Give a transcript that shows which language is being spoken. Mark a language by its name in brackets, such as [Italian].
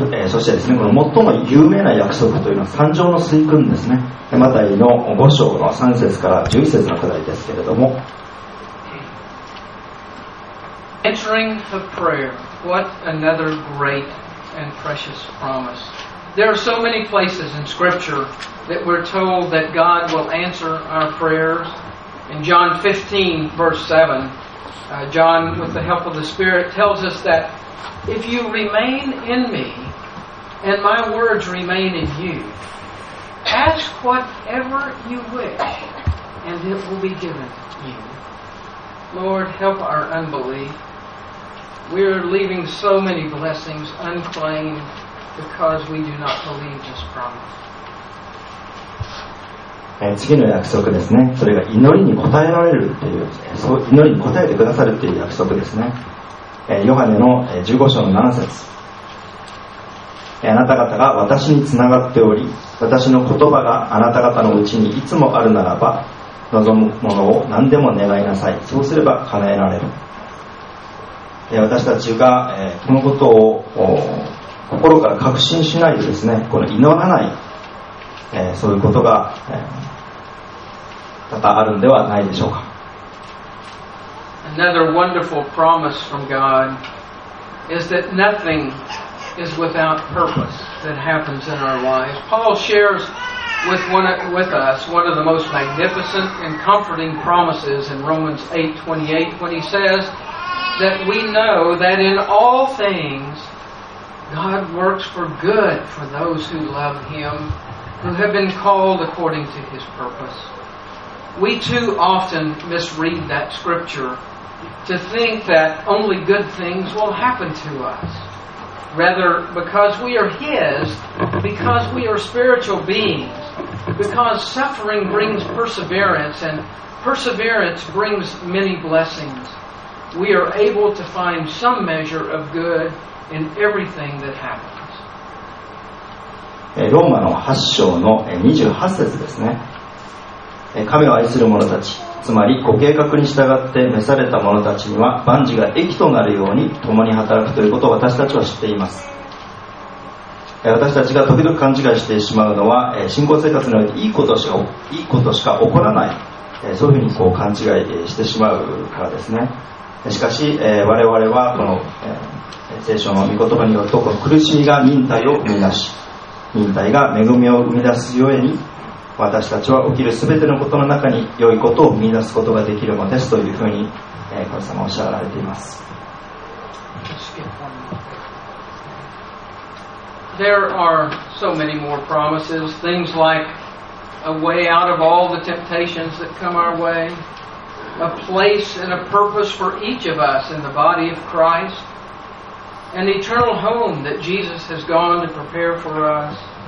[Japanese] そしてですね、この最も有名な約束というのは三条の水訓ですね。マタイの五章の三節から十一節のくだりですけれども、 [English] Entering the prayer, what another great and precious promise. There are so many places in Scripture that we're told that God will answer our prayers. In John 15, verse 7, John, with the help of the Spirit, tells us that if you remain in me and my words remain in you, ask whatever you wish and it will be given you. Lord, help our unbelief. We are leaving so many blessings unclaimed because we do not believe this promise. [Japanese] 次の約束ですね。それが祈りに応えられるという、そう祈りに応えてくださるという約束ですね。ヨハネの15章の7節。あなた方が私につながっており、私の言葉があなた方のうちにいつもあるならば、望むものを何でも願いなさい。そうすれば叶えられる。私たちがこのことを心から確信しないでですね、この祈らない、そういうことが多々あるんではないでしょうか。 [English] Another wonderful promise from God is that nothing is without purpose that happens in our lives. Paul shares with us one of the most magnificent and comforting promises in Romans 8:28 when he says that we know that in all things God works for good for those who love Him, who have been called according to His purpose. We too often misread that scripture to think that only good things will happen to us. Rather, because we are His, because we are spiritual beings, because suffering brings perseverance, and perseverance brings many blessings, we are able to find some measure of good in everything that happens. [Japanese] ローマの8章の28節ですね。神を愛する者たち、つまりご計画に従って召された者たちには万事が益となるように共に働くということを私たちは知っています。私たちが時々勘違いしてしまうのは、信仰生活においていいことしか起こらない、そういうふうにこう勘違いしてしまうからですね。しかし、我々はこの、聖書の御言葉によると、この苦しみが忍耐を生み出し、忍耐が恵みを生み出すゆえに、私たちは起きるすべてのことの中に良いことを見出すことができるのですというふうに神様はおっしゃられています。 [English] There are so many more promises, things like a way out of all the temptations that come our way, a place and a purpose for each of us in the body of Christ, an eternal home that Jesus has gone to prepare for us.